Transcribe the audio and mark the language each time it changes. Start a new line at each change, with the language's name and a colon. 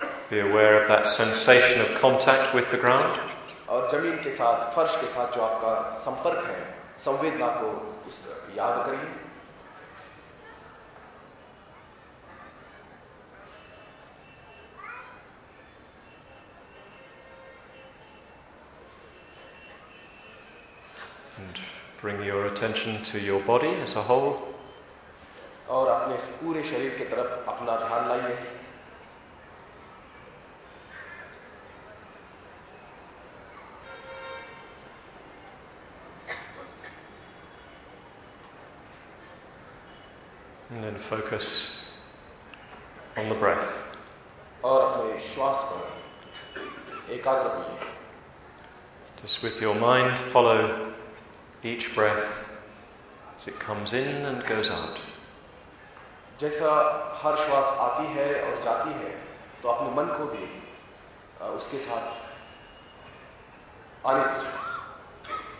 English: Be aware of that sensation of contact with the ground. And bring your attention to your body as a whole.
Hindi: और अपने पूरे शरीर की तरफ अपना ध्यान लाइए।
English: And then focus on the breath.
Hindi: और अपने श्वास पर एकाग्र होइए।
English: Just with your mind, follow each breath as it comes in and goes out.
Hindi: जैसा हर श्वास आती है और जाती है, तो अपने मन को भी उसके साथ आने दीजिए।